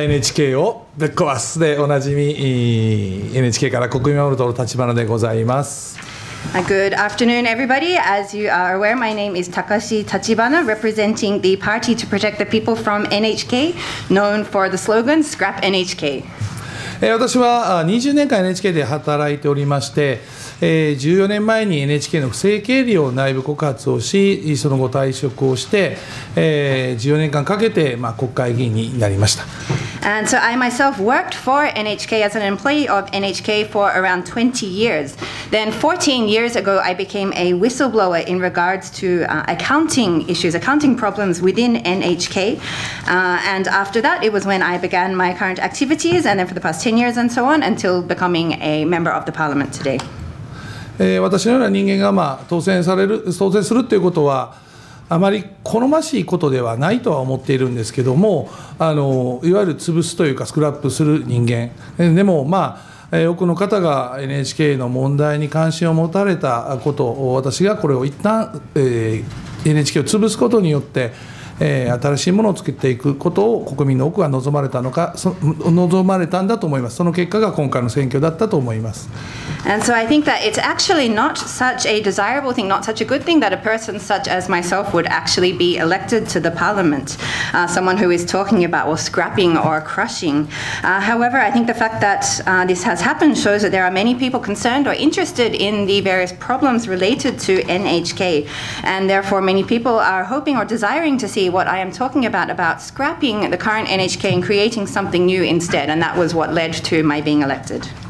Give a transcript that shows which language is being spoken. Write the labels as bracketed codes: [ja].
[ja] NHK をぶっ壊すでおなじみ、 NHK から国民を守る党の立花でございます。 [en] Good afternoon, everybody. As you are aware, my name is Takashi Tachibana, representing the Party to Protect the People from NHK, known for the slogan Scrap NHK. [ja] 私は20年間 NHK で働いておりまして、14年前に NHK の不正経理を内部告発をし、その後退職をして、14年間かけて、まあ、国会議員になりました。 [en] And so I myself worked for NHK as an employee of NHK for around 20 years. Then 14 years ago, I became a whistleblower in regards to accounting issues, accounting problems within NHK. And after that, it was when I began my current activities, and then for the past 10 years and so on, until becoming a member of the parliament today. [ja] 私のような人間が、まあ、当選するということはあまり好ましいことではないとは思っているんですけども、いわゆる潰すというかスクラップする人間でも、まあ、多くの方が NHK の問題に関心を持たれたことを、私がこれを一旦、NHK を潰すことによって、新しいものを作っていくことを国民の多くが望まれたんだと思います。その結果が今回の選挙だったと思います。 [en] And so I think that it's actually not such a desirable thing, not such a good thing, that a person such as myself would actually be elected to the parliament, someone who is talking about, well, scrapping or crushing. However, I think the fact that this has happened shows that there are many people concerned or interested in the various problems related to NHK, and therefore many people are hoping or desiring to see what I am talking about scrapping the current NHK and creating something new instead, and that was what led to my being elected.